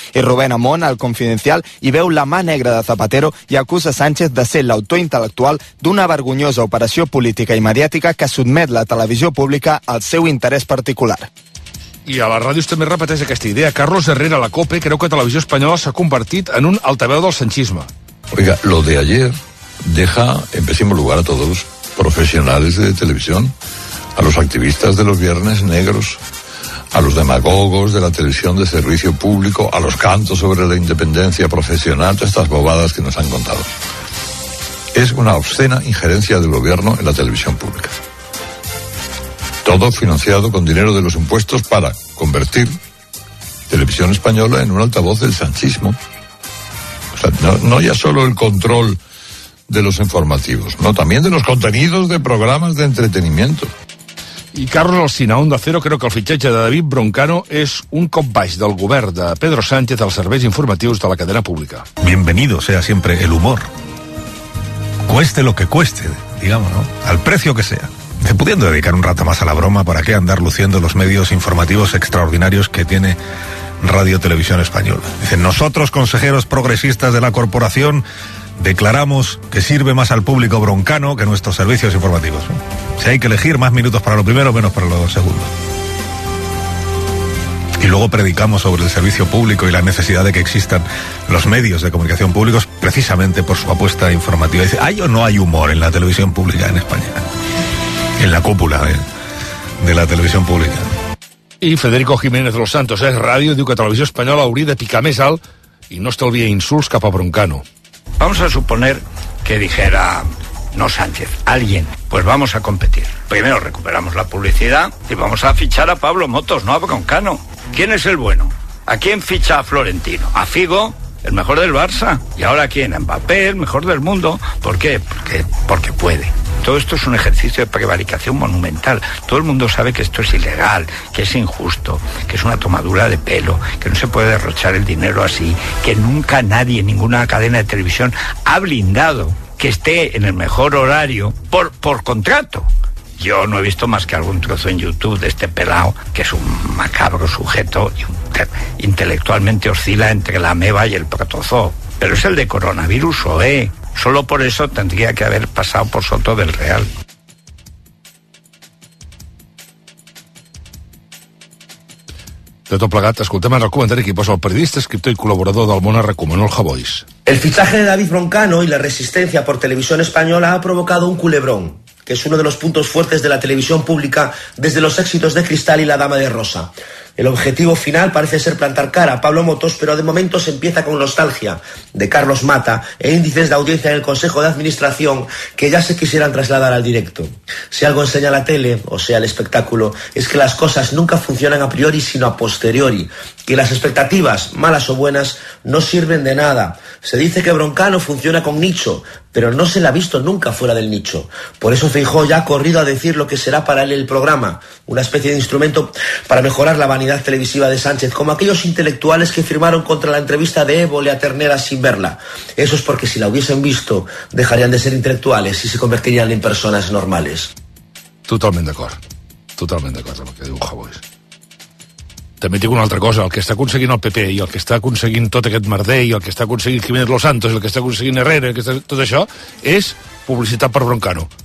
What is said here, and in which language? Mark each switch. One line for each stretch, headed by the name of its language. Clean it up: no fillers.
Catalan: I Rubén Amón, al Confidencial, hi veu la mà negra de Zapatero i acusa Sánchez de ser l'autor intel·lectual d'una vergonyosa operació política i mediàtica que sotmet la televisió pública al seu interès particular. I a les ràdios també repeteix aquesta idea. Carlos Herrera, la COPE, creu que Televisió Espanyola s'ha convertit en un altaveu del sanchisme.
Spanish: Oiga, lo de ayer deja en pésimo lugar a todos los profesionales de televisión, a los activistas de los viernes negros, a los demagogos de la televisión de servicio público, a los cantos sobre la independencia profesional, todas estas bobadas que nos han contado. Es una obscena injerencia del gobierno en la televisión pública. Todo financiado con dinero de los impuestos para convertir Televisión Española en un altavoz del sanchismo. O sea, no ya solo el control de los informativos, no, también de los contenidos de programas de entretenimiento.
Catalan: I Carlos Alsina, Onda Cero, creo que el fitxatge de David Broncano és un cop baix del govern de Pedro Sánchez als serveis informatius de la cadena pública.
Spanish: Bienvenido sea siempre el humor. Cueste lo que cueste, digamos, ¿no? Al precio que sea. Se pudiendo dedicar un rato más a la broma, ¿para qué andar luciendo los medios informativos extraordinarios que tiene Radio Televisión Española? Dicen, nosotros, consejeros progresistas de la corporación, declaramos que sirve más al público Broncano que nuestros servicios informativos. Si hay que elegir, más minutos para lo primero, menos para lo segundo. Y luego predicamos sobre el servicio público y la necesidad de que existan los medios de comunicación públicos precisamente por su apuesta informativa. Dice, ¿hay o no hay humor en la televisión pública en España? En la cúpula de la televisión pública.
Catalan: Y Federico Jiménez de los Santos es radio, diu que Televisió Espanyola hauria de picar més alt y no estalvia insults cap a Broncano.
Spanish: Vamos a suponer que dijera, no Sánchez, alguien, pues vamos a competir. Primero recuperamos la publicidad y vamos a fichar a Pablo Motos, no a Broncano. ¿Quién es el bueno? ¿A quién ficha a Florentino? ¿A Figo, el mejor del Barça? ¿Y ahora a quién? ¿A Mbappé, el mejor del mundo? ¿Por qué? Porque puede. Todo esto es un ejercicio de prevaricación monumental. Todo el mundo sabe que esto es ilegal, que es injusto, que es una tomadura de pelo, que no se puede derrochar el dinero así, que nunca nadie, ninguna cadena de televisión ha blindado que esté en el mejor horario por contrato. Yo no he visto más que algún trozo en YouTube de este pelao, que es un macabro sujeto y intelectualmente oscila entre la ameba y el protozoo. Pero es el de coronavirus, ¿eh? Solo por eso tendría que haber pasado por Soto del Real.
Catalan: De tot plegat, escoltem el comentari que hi posa el periodista, escriptor i col·laborador del món, recomano el Havois.
Spanish: El fichaje de David Broncano y la resistencia por Televisión Española ha provocado un culebrón, que es uno de los puntos fuertes de la televisión pública desde los éxitos de Cristal y La Dama de Rosa. El objetivo final parece ser plantar cara a Pablo Motos, pero de momento se empieza con nostalgia de Carlos Mata e índices de audiencia en el Consejo de Administración que ya se quisieran trasladar al directo. Si algo enseña la tele, o sea el espectáculo, es que las cosas nunca funcionan a priori sino a posteriori, que las expectativas, malas o buenas, no sirven de nada. Se dice que Broncano funciona con nicho, pero no se la ha visto nunca fuera del nicho. Por eso Feijóo ya ha corrido a decir lo que será para él el programa, una especie de instrumento para mejorar la vanidad televisiva de Sánchez, como aquellos intelectuales que firmaron contra la entrevista de Évole a Ternera sin verla. Eso es porque si la hubiesen visto, dejarían de ser intelectuales y se convertirían en personas normales.
Catalan: Totalmente d'acord amb el que diu Javois. També dic una altra cosa, el que està aconseguint el PP i el que està aconseguint tot aquest merder i el que està aconseguint Jiménez Los Santos, el que està aconseguint Herrera, està, tot això, és publicitat per Broncano.